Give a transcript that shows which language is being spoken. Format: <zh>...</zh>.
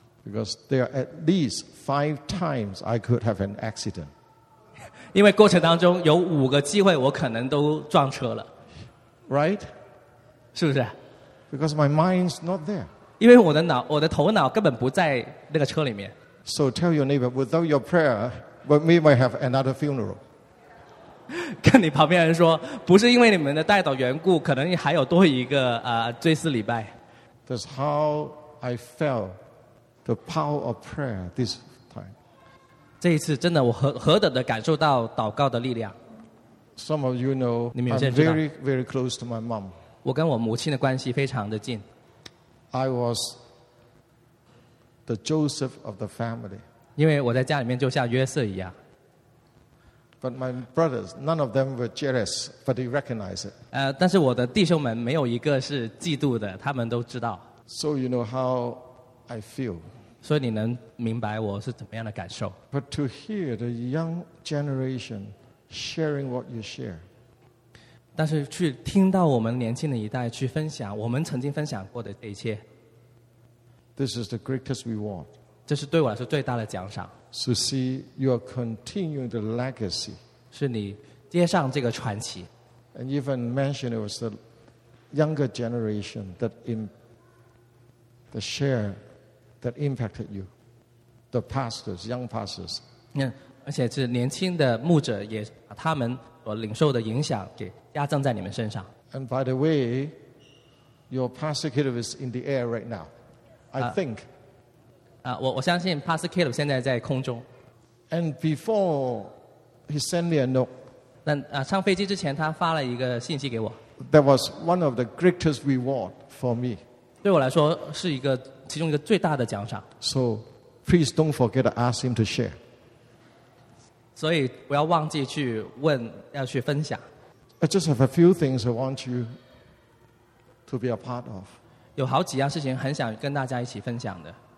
<en>Because there are at least five times I could have an accident.</en> <zh>因为过程当中有五个机会我可能都撞车了</zh> <en>Right?</en> <zh>是不是</zh> <en>Because my mind's not there</en> <zh>因为我的头脑根本不在那个车里面</zh> <en>So tell your neighbor Without your prayer We might have another funeral</en> <zh>跟你旁边人说不是因为你们的带导缘故可能还有多一个追思礼拜</zh> <en>That's how I felt The power of prayer This time</en> <zh>这一次真的我何等的感受到祷告的力量</zh> <en>Some of you know I'm very very close to my mom</en> <zh>我跟我母亲的关系非常的近</zh> <en>I was the Joseph of the family</en> <zh>因为我在家里面就像约瑟一样</zh> <en>But my brothers none of them were jealous but they recognize it</en> <zh>但是我的弟兄们没有一个是嫉妒的他们都知道</zh> <en>So you know how I feel</en> <zh>所以你能明白我是怎么样的感受</zh> <en>But to hear the young generation sharing what you share</en> <zh>但是去听到我们年轻的一代去分享我们曾经分享过的这一切</zh> <en>This is the greatest reward</en> <zh>这是对我来说最大的奖赏</zh> <en>To see you are continuing the legacy</en> <zh>是你接上这个传奇</zh> <en>And even mentioned it was the younger generation that in the shareThat impacted you, the pastors, young pastors.</en> <zh>而且是年轻的牧者也把他们所领受的影响给加增在你们身上。</zh> <en>And by the way, Your Pastor Caleb is in the air right now. I think.</en> <zh>我相信 Pastor Caleb 现在在空中.</zh> <en>And before he sent me a note,</en> <zh>上飞机之前他发了一个信息给我.</zh> <en>That was one of the greatest reward for me.</en> <zh>对我来说是一个其中一个最大的奖赏.</zh> <en>So please don't forget to ask him to share.</en> <zh>所以不要忘记去问要去分享.</zh> <en>I just have a few things I want you to be a part of.</en> <zh>有好几样事情很想跟大家一起分享的.</zh>